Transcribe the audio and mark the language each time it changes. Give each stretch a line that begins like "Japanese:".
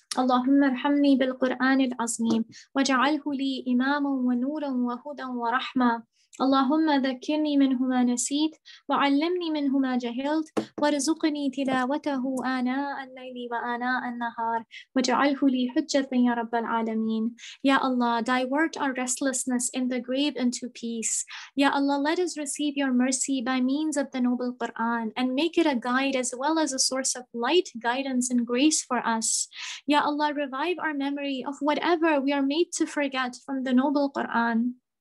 Arabic: Allahumma arhamni bil Quran al azim waj'alhu li imaman wa nuran wa hudan wa rahma. اللهم ذكرني منه ما نسيت وعلمني منهما جهلت ورزقني تلاوته آناء الليل وآناء النهار وجعله لي حجة يا رب العالمين.
English: Ya Allah, divert our restlessness in the grave into peace. Ya Allah, let us receive your mercy by means of the noble Quran and make it a guide as well as a source of light, guidance and grace for us. Ya Allah, revive our memory of whatever we are made to forget from the noble Quran.